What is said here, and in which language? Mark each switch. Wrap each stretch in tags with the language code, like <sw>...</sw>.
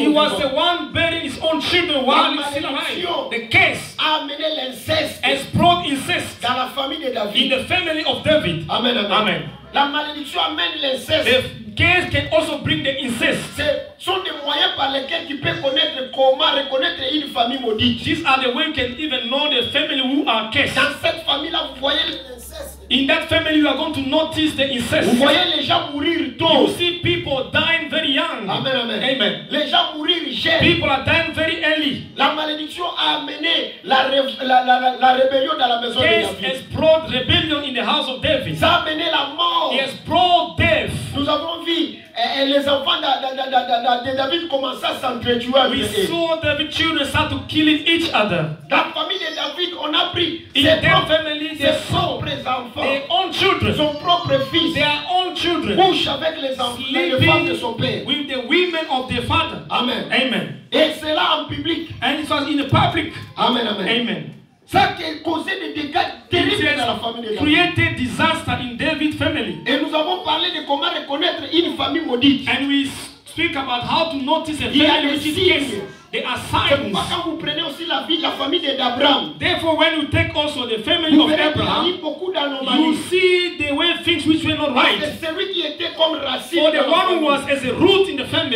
<fr>vivant.</fr> <en>He was the one burying his own children while he's still alive. The case</en> <fr>a amené l'inceste.</fr> <en>Has brought incest</en> <fr>dans la famille de David.</fr> <en>In the family of David. Amen, amen. Amen.</en> <fr>La malédiction amène l'inceste.</fr> <en>The case can also bring the incest.</en> <fr>Ce sont des moyens par lesquels tu peux connaître comment reconnaître une famille maudite.</fr> <en>These are the ways you can even know the family who are cursed.</en> <fr>Dans cette famille-là, vous voyez l'inceste.</fr> <en>In that family, you are going to notice the incest.</en> <fr>Vous voyez les gens mourir tôt.</fr> <en>You see people dying very young. Amen, amen. Amen.</en> <fr>Les gens mourir jeunes.</fr> <en>People are dying very early.</en> <fr>La malédiction a amené la rébellion dans la maison de David.</fr> <en>Has brought rebellion in the house of David.</en> <fr>Ça a amené la mort.</fr> <en>It has brought death.</en> <fr>Nous avons vu les enfants de David commencer à s'entretuer.</fr> <en>We saw David's children start to kill each other.</en> <fr>La famille de David, on a pris</fr> <en>in</en> <fr>ses</fr> <en>their family,</en> <fr>ses propres enfants,</fr> <en>their own children,</en> <fr>son propre fils,</fr> <en>their own children,</en> <fr>couchent avec les enfants, les femmes de son père,</fr> <en>with the women of their father. Amen. Amen.</en> <fr>Et cela en public.</fr> <en>And it was in the public. Amen. Amen. Amen.</en> <fr>Ça a causé des dégâts terribles dans la famille de David.</fr> <en>Created disaster in David's family.</en> <fr>Et nous avons parlé de comment reconnaître une famille maudite.</fr> <en>And we speak about how to notice a family which is cursed. There are signs.</en> <fr>C'est pourquoi vous prenez aussi la vie de la famille d'Abraham.</fr> <en>Therefore, when you take also the family</en> <fr>vous</fr> <en>of Abraham,</en> <fr>beaucoup d'anomalies.</fr> <en>You see the way things which were not right.</en> <fr>C'est celui qui était comme racine.</fr> <en>For the one who was as a root in the family,</en>